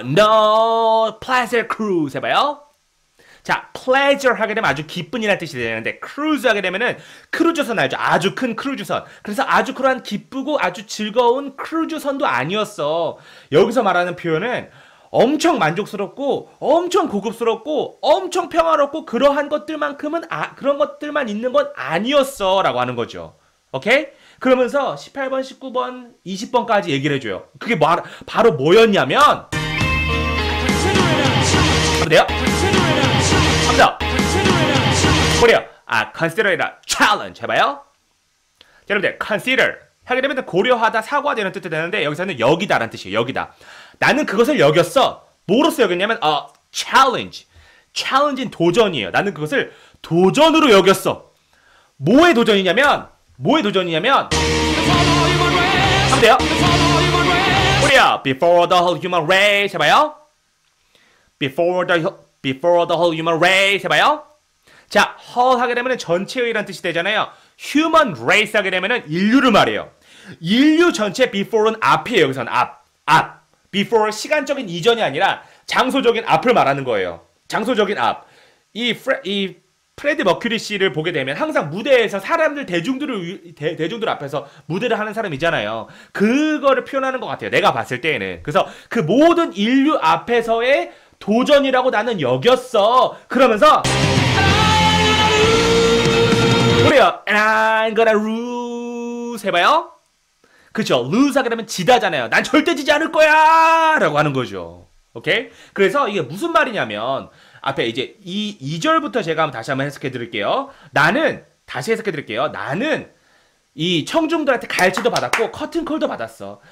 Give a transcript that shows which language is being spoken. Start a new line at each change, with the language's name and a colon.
English: No pleasure cruise
Korean: 해봐요. 자, pleasure 하게 되면 아주 기쁜이라는 뜻이 되는데, cruise 하게 되면은 크루즈선 알죠? 아주 큰 크루즈선. 그래서 아주 그러한 기쁘고 아주 즐거운 크루즈선도 아니었어. 여기서 말하는 표현은 엄청 만족스럽고, 엄청 고급스럽고, 엄청 평화롭고, 그러한 것들만큼은, 그런 것들만 있는 건 아니었어. 라고 하는 거죠. 오케이? 그러면서 18번, 19번, 20번까지 얘기를 해줘요. 그게 바로 뭐였냐면, 그래요? 한번 더. 뭐래요? 아,
English: consider it a challenge.
Korean: 해봐요. 여러분들, consider. 하게 되면 고려하다, 사과되는 뜻도 되는데, 여기서는 여기다라는 뜻이에요. 여기다. 나는 그것을 여겼어. 뭐로써 여겼냐면, challenge. challenge인 도전이에요. 나는 그것을 도전으로 여겼어. 뭐의 도전이냐면, 뭐의 도전이냐면, 한번 더요. 뭐래요?
English: Before the whole human race.
Korean: 해봐요.
English: Before the whole human race
Korean: 해봐요. 자, whole 하게 되면 전체의라는 뜻이 되잖아요. human race 하게 되면 인류를 말해요. 인류 전체 before는 앞이에요. 여기서는 앞. before 시간적인 이전이 아니라 장소적인 앞을 말하는 거예요. 장소적인 앞. 이 프레디 머큐리 씨를 보게 되면 항상 무대에서 사람들, 대중들 앞에서 무대를 하는 사람이잖아요. 그거를 표현하는 것 같아요. 내가 봤을 때에는. 그래서 그 모든 인류 앞에서의 도전이라고 나는 여겼어. 그러면서 그래요.
English: And I'm gonna lose
Korean: 해봐요. 그쵸. lose 하게 되면 지다잖아요. 난 절대 지지 않을 거야 라고 하는 거죠. 오케이? 그래서 이게 무슨 말이냐면 앞에 이제 이 2절부터 제가 다시 한번 해석해 드릴게요. 나는 다시 해석해 드릴게요. 나는 이 청중들한테 가르치도 받았고 커튼콜도 받았어.